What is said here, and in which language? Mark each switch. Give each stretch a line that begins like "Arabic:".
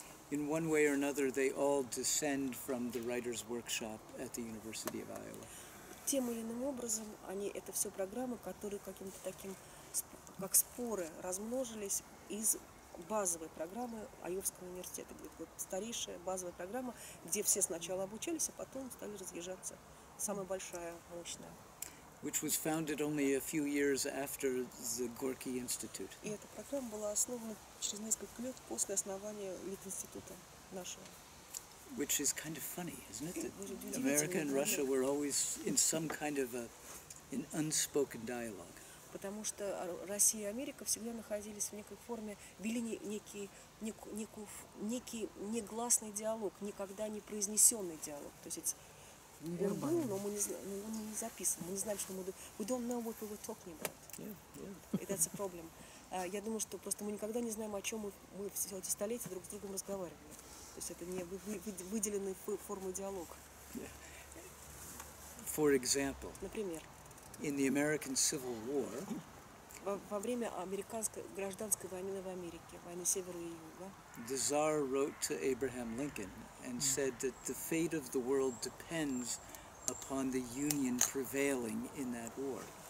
English: In one way or another, they all descend from the writer's workshop at the University of Iowa.
Russian: Тем или иным образом, они это все программы, которые каким-то таким, как споры, размножились из базовой программы Айовского университета, где вот старейшая базовая программа, где все сначала обучались, а потом стали разъезжаться. Самая большая, мощная.
English: Which was founded only a few years after the Gorky Institute.
Russian: И эта программа была основана через несколько лет после основания Литинститута нашего.
English: Which is kind of funny, isn't it? That America and Russia were always in some kind of an unspoken dialogue.
Russian: Потому что Россия и Америка всегда находились в некой форме, вели некий негласный диалог, никогда не произнесенный диалог. То есть он был, но мы не записан. Мы не знаем, что мы думаем.
English: We don't know what we were talking about. Yeah. That's a problem.
Russian: Я думаю, что просто мы никогда не знаем, о чем мы все эти столетия друг с другом разговаривали. То есть это не выделенная форма диалога.
English: Yeah. For example.
Russian: Например.
English: In the American Civil War,
Russian: во время американской гражданской войны в Америке, войны Севера и Юга,
English: the Tsar wrote to Abraham Lincoln and said that the fate of the world depends upon the Union prevailing in that war.